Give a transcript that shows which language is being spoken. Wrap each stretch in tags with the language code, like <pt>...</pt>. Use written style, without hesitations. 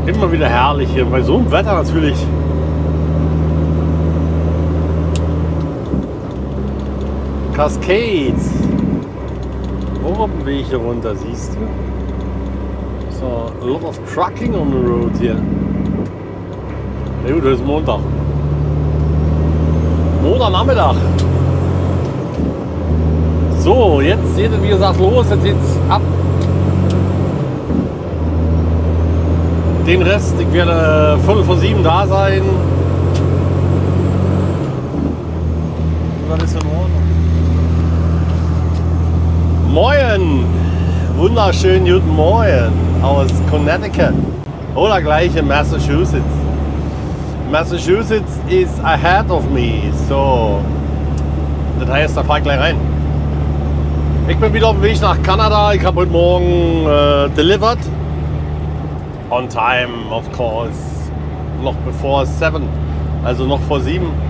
<de>Wieder herrlich hier bei so einem Wetter natürlich. Cascades. Oh, auf dem Weg hier runter, siehst du.</de> <en>So, a lot of trucking on the road hier.</en> <de>Na gut, heute ist Montag. Montagnachmittag. So, jetzt seht ihr, wie gesagt, los. Jetzt geht's ab. Den Rest, ich werde voll vor sieben da sein. Und dann ist in Ordnung. Moin! Wunderschönen guten Morgen aus Connecticut. Oder gleich in Massachusetts.</de> <en>Massachusetts is ahead of me.</en> <de>So, das heißt, da fahr ich gleich rein. Ich bin wieder auf dem Weg nach Kanada. Ich habe heute Morgen</de> <en>delivered. On time, of course.</en> <de>Noch bevor 7. Also noch vor 7.</de>